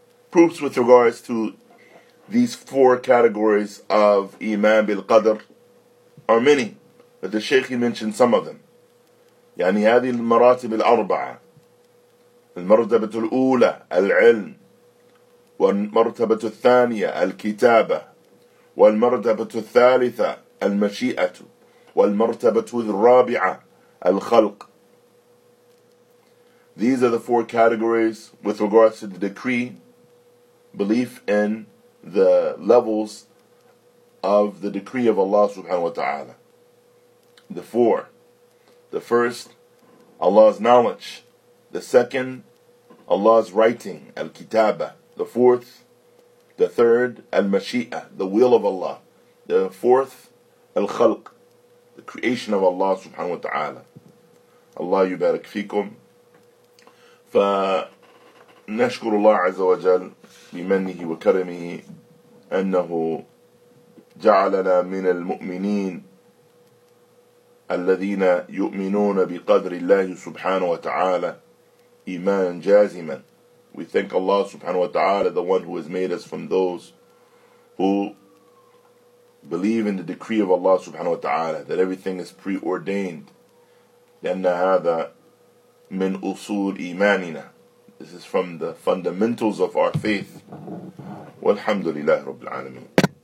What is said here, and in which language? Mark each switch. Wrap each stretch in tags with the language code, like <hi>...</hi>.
<en>Proofs with regards to these four categories of</en> <ar>إيمان بالقدر</ar> <en>are many, but the Shaykh mentioned some of them.</en> <ar>يعني هذه المراتب الأربعة. المرتبة الأولى العلم والمرتبة الثانية الكتابة والمرتبة الثالثة المشيئة والمرتبة الرابعة الخلق.</ar> <en>These are the four categories with regards to the decree, belief in the levels of the decree of Allah subhanahu wa ta'ala. The four. The first, Allah's knowledge. The second, Allah's writing, al-kitaba. The fourth, the third, al-mashi'ah, the will of Allah. The fourth, al-khalq, the creation of Allah subhanahu wa ta'ala.</en> <ar>Allah yubarak fikum. فنشكر الله عز وجل بمنه وكرمه أنه جعلنا من المؤمنين الذين يؤمنون بقدر الله سبحانه وتعالى إيمانا جازما.</ar> <en>We thank Allah subhanahu wa ta'ala, the one who has made us from those who believe in the decree of Allah subhanahu wa ta'ala, that everything is preordained.</en> <ar>لأن هذا من أصول إيماننا.</ar> <en>This is from the fundamentals of our faith.</en> <ar>والحمد لله رب العالمين.</ar>